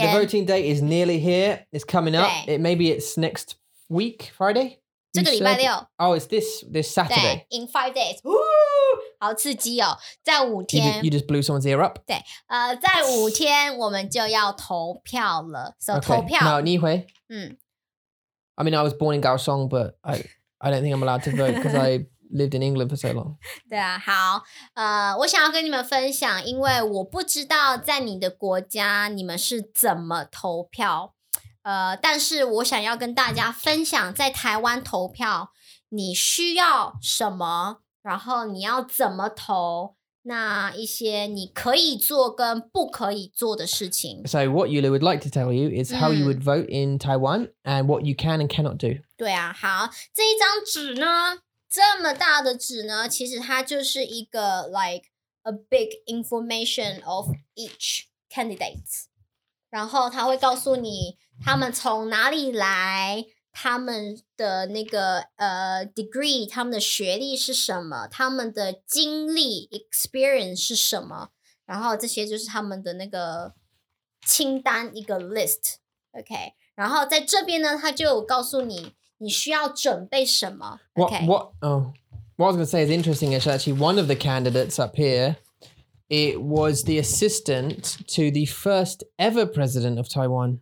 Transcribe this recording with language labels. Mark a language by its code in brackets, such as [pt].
[en] So the voting date is nearly here. It's coming up. Maybe it's next week, Friday? [zh] 这个礼拜六。 [en] Oh, it's this Saturday. In 5 days. Woo! [zh] 好刺激哦，在五天。 [en] You just blew someone's ear up? [zh] 对。在五天我们就要投票了。So, [en] okay, [zh] 投票。那你回。 [en] I mean, I was born in Kaohsiung, but I don't think I'm allowed to vote because I lived in England for so long. [zh] 对啊，好，我想要跟你们分享，因为我不知道在你的国家你们是怎么投票，但是我想要跟大家分享，在台湾投票你需要什么，然后你要怎么投，那一些你可以做跟不可以做的事情。 [en] So what Yulu would like to tell you is how you would vote in Taiwan and what you can and cannot do. [zh] 对啊，好，这一张纸呢，这么大的纸呢，其实它就是一个 [en] like a big information of each candidate. [zh] 然后它会告诉你他们从哪里来，他们的那个degree, 他们的学历是什么，他们的经历 experience 是什么，然后这些就是他们的那个清单，一个 list, OK? 然后在这边呢他就告诉你你需要准备什么 [en] What I was going to say is interesting is actually one of the candidates up here, it was the assistant to the first ever president of Taiwan.